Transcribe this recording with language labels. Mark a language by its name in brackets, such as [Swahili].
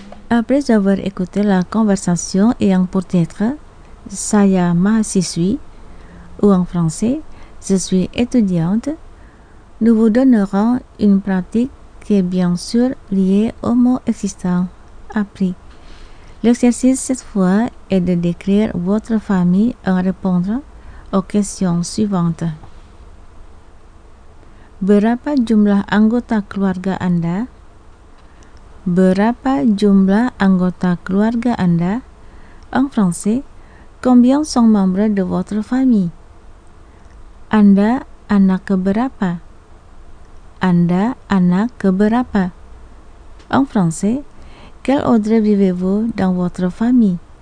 [French] Après avoir écouté la conversation ayant pour titre « [Indonesian] Saya mahasiswi [French] » ou en français « Je suis étudiante », nous vous donnerons une pratique qui est bien sûr liée au mot existant « appris ». L'exercice cette fois est de décrire votre famille en répondre aux questions suivantes. [Indonesian] Berapa jumlah anggota keluarga Anda? Berapa jumlah anggota keluarga Anda? [French] En français, combien sont membres de votre famille? [Indonesian] Anda anak keberapa? Anda anak keberapa? [French] En français, quel ordre vivez-vous dans votre famille?